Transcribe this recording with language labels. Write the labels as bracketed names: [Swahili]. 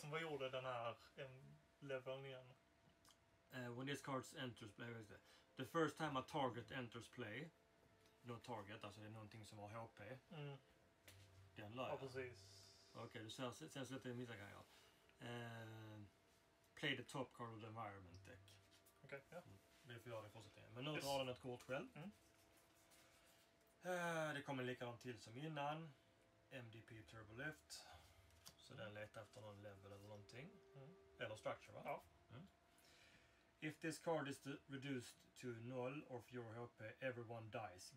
[Swedish] Vad gjorde den här leveln igen? [English] When this card enters play, [Swedish] vad heter det? [English] The first time a target enters play, [Swedish] no target, alltså det är någonting som har HP, den lade jag. Ja, precis. Okej, du ser så att det är mitt grej, ja. [English] Play the top card of the environment deck. [Swedish] Okej, okay, ja. Det får jag det fortsatt igen. Men nu drar den ett kort själv. Mm. Det kommer likadant till som innan. MDP Turbo Lift. Så den letar efter någon level eller någonting. Mm. Eller structure, va? Ja. Mm. [English] If this card is reduced to 0 or fewer HP, everyone dies.